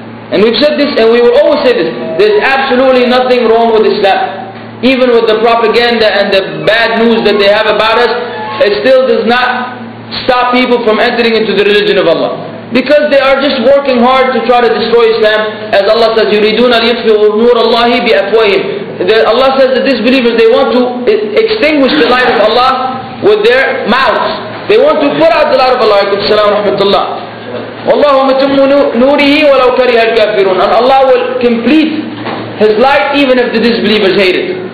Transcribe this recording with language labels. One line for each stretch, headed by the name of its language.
English: And we've said this, and we will always say this, there's absolutely nothing wrong with Islam. Even with the propaganda and the bad news that they have about us, it still does not stop people from entering into the religion of Allah. Because they are just working hard to try to destroy Islam. As Allah says,
Arabic: يُرِيدُونَ لِيُطْفِئُوا نُورَ اللَّهِ بِأَفْوَاهِهِمْ.
English: Allah says that disbelievers, they want to extinguish the light of Allah with their mouths. They want to put out the light of Allah.
Arabic: As-salamu wa rahmatullah. وَاللَّهُ مَتُمُّ نُورِهِ وَلَوْ كَرِهَ الْكَافِرُونَ.
English: And Allah will complete His light even if the disbelievers hate it.